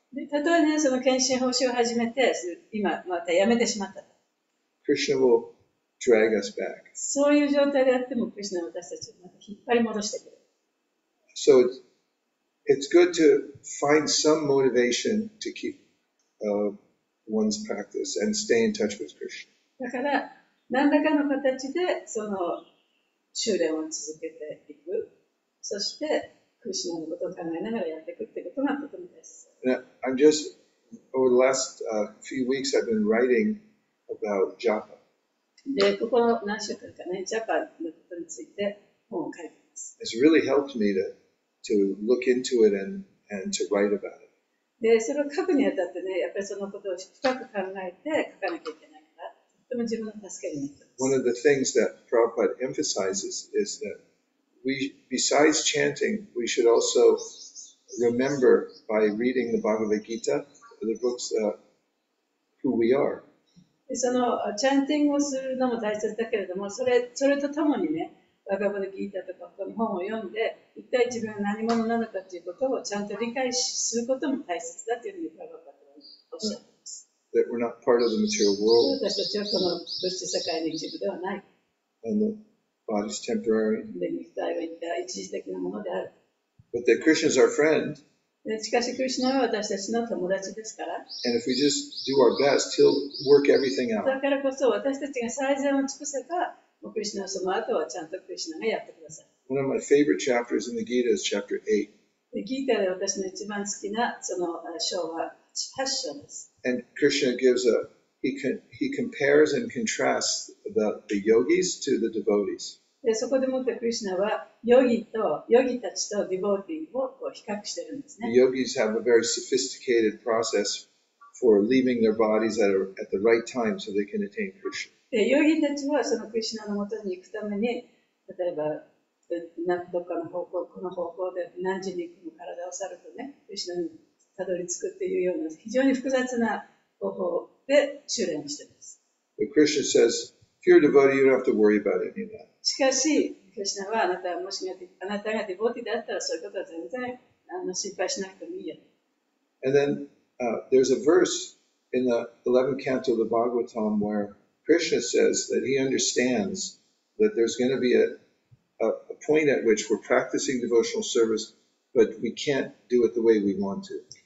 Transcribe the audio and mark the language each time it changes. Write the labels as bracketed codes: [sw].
[ja] で、たとえね、その献身奉仕を始めて、今またやめてしまったら、 [en] Krishna will drag us back. [ja] そういう状態であっても、クリスナは私たちをまた引っ張り戻してくれる。 [en] So it's good to find some motivation to keep one's practice and stay in touch with Krishna. [ja] だから、何らかの形でその修練を続けていく。そして、クリスナのことを考えながらやっていくってことがとても大切。 [en] Now, I'm just, over the last few weeks, I've been writing about japa. [ja] で、ここの何週間かね、ジャパのことについて本を書いています。 [en] It's really helped me to look into it and to write about it. [ja] で、それを書くにあたってね、やっぱりそのことを深く考えて書かなきゃいけないから、とても自分の助けになっています。 [en] One of the things that Prabhupada emphasizes is that we, besides chanting, we should also remember by reading the Bhagavad Gita, the books, who we are. [ja] そのチャンティングをするのも大切だけれども、それとともにね、バガヴァギータとかこの本を読んで、一体自分は何者なのかということをちゃんと理解することも大切だというふうにバガヴァギータはおっしゃっています。 [en] That we're not part of the material world. [ja] 私たちはこの物質世界の一部ではない。 [en] And the body is temporary. [ja] で、肉体は一時的なものである。 [en] But that Krishna is our friend. [ja] しかし、クリスナは私たちの友達ですから。 [en] And if we just do our best, he'll work everything out. [ja] だからこそ、私たちが最善を尽くせば、もうクリスナはその後はちゃんとクリスナがやってください。 [en] One of my favorite chapters in the Gita is chapter 8. [ja] で、ギータで私の一番好きなその章は8章です。 [en] And Krishna gives a, he compares and contrasts the yogis to the devotees. [ja] でそこでもってクリシュナはヨギたちとディボーティーをこう比較してるんですね。 [en] Yogis have a very sophisticated process for leaving their bodies at the right time so they can attain Krishna. [ja] でヨギたちはそのクリシュナのもとに行くために、例えばどっかの方向、この方向で何時に行くの体を去るとね、クリシュナにたどり着くっていうような非常に複雑な方法で修練してます。 [en] The Krishna says, if you're a devotee, you don't have to worry about any of that. [ja] しかし、クリシュナはあなたがディボーティーだったらそういうことは全然心配しなくてもいいよ。 [en] And then, there's a verse in the 11th canto of the Bhagavatam where Krishna says that he understands that there's going to be a point at which we're practicing devotional service, but we can't do it the way we want to.